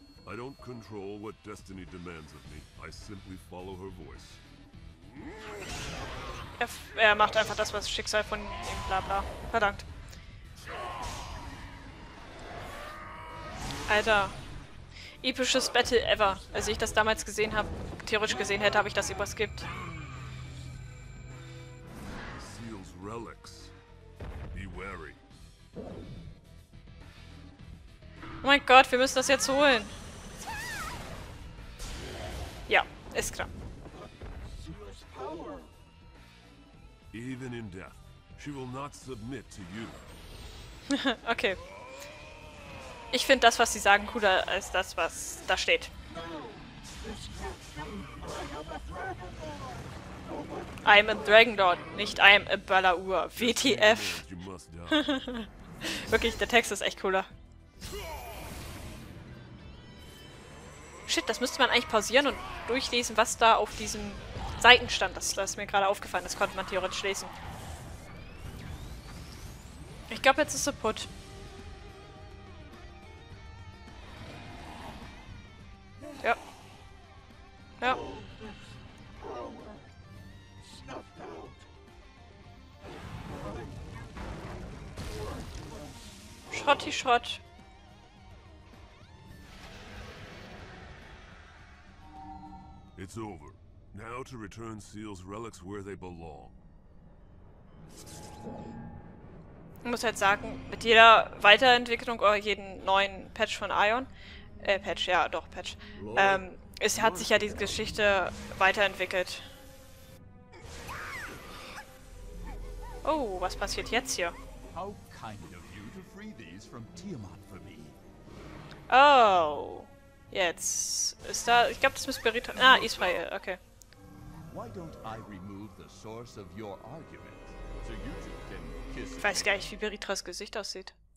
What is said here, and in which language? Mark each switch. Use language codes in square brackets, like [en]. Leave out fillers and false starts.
[en] I don't control what destiny demands of me. I simply follow her voice. [de] Er macht einfach das, was Schicksal von ihm, bla bla. Verdammt. Alter. Episches Battle ever. Als ich das damals gesehen habe, theoretisch gesehen hätte, habe ich das überskippt. [en] Seals Relics. Be wary. [de] Oh mein Gott, wir müssen das jetzt holen. Ja, ist klar. [en] Even in death, she will not submit to you. Okay. [de] Ich finde das, was sie sagen, cooler als das, was da steht. [en] I'm a Dragonlord, [de] nicht [en] I'm a Balaur. WTF. [de] Wirklich, der Text ist echt cooler. Shit, das müsste man eigentlich pausieren und durchlesen, was da auf diesen Seiten stand. Das ist mir gerade aufgefallen, das konnte man theoretisch lesen. Ich glaube, jetzt ist es put. Ja. Ja. Schrotti Schrott. [en] It's over. Now to return Seal's relics where they belong. [de] Ich muss halt sagen, mit jeder Weiterentwicklung oder jeden neuen Patch von Ion, es hat sich ja diese Geschichte weiterentwickelt. Oh, was passiert jetzt hier? [en] How kind of you to free these from Tiamat for me. Oh. [de] Jetzt ist da, ich glaube, das müsste Berita. Ah, Israel, okay. [en] Why don't I remove the source of your argument so you two can kiss? [de] Ich weiß gar nicht, wie Beritras Gesicht aussieht.